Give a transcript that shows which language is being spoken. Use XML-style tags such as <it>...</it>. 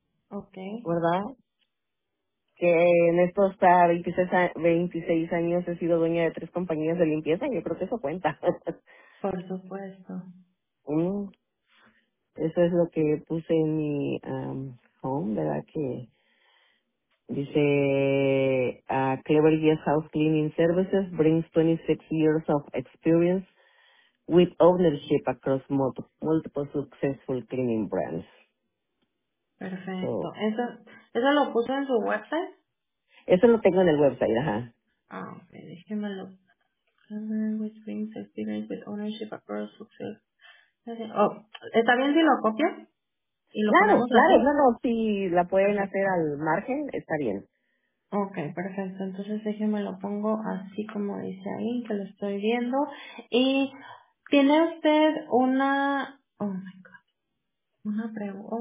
<es>Okay. ¿Verdad? Que en estos 26 años he sido dueña de 3 compañías de limpieza. Yo creo que eso cuenta. Por supuesto. Eso es lo que puse en mi home, ¿verdad? Que dice,</es> <en>Clever Guest House Cleaning Services brings 26 years of experience with ownership across multiple successful cleaning brands.</en> <es>Perfecto. So, ¿Eso lo puse en su website? Eso lo tengo en el website, ajá. Ah, ok. Déjemelo.</es> <en>Which brings experience with ownership across success.</en> <es>Oh, ¿está bien si lo copio? Claro, si la pueden hacer al margen, está bien. Ok, perfecto. Entonces déjenme lo pongo así como dice ahí, que lo estoy viendo. Y... ¿tiene usted una, una pregunta?</es>